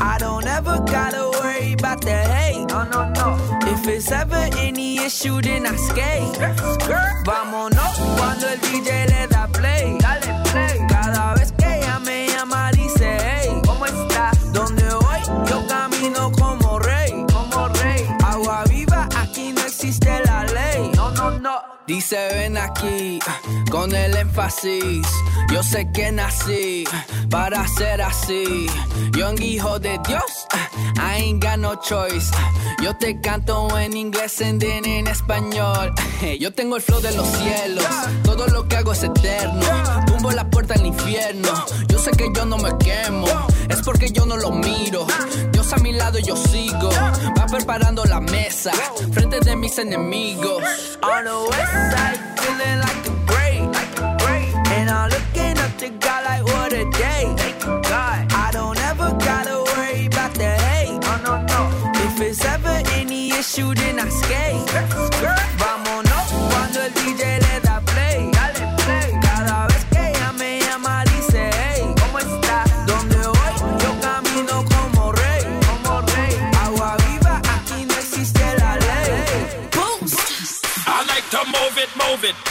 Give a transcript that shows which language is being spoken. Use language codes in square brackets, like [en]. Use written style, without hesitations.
[en] I don't ever gotta worry about the hate. No, no, no. If it's ever any issue, then I skate. Skirt. [es] Vámonos cuando el DJ le da play. Dale play. Cada vez que ella me llama, dice hey. ¿Cómo está? ¿Dónde voy? Yo camino como rey. Como rey. Agua viva, aquí no existe la ley. No, no, no. Dice ven aquí, con el énfasis. Yo sé que nací para ser así. [en] Young [es] hijo de Dios, [en] I ain't got no choice. [es] Yo te canto en inglés [en] and then [es] en español. Yo tengo el flow de los cielos, todo lo que hago es eterno. Tumbo la puerta al infierno, yo sé que yo no me quemo. Es porque yo no lo miro, Dios a mi lado yo sigo. Va preparando la mesa, frente de mis enemigos. [en] On the west side, feeling like a great, and I'm looking up to God like what a day. Thank God. I don't ever gotta worry about the hate. No, no, no. If it's ever any issue, then I skate. [es] Vámonos cuando el DJ le da play. Dale play. Cada vez que ella me llama, dice hey. ¿Cómo está? ¿Dónde voy? Yo camino como rey. Como rey. Agua viva, aquí no existe la ley. [en] Boom. I like to move it, move it.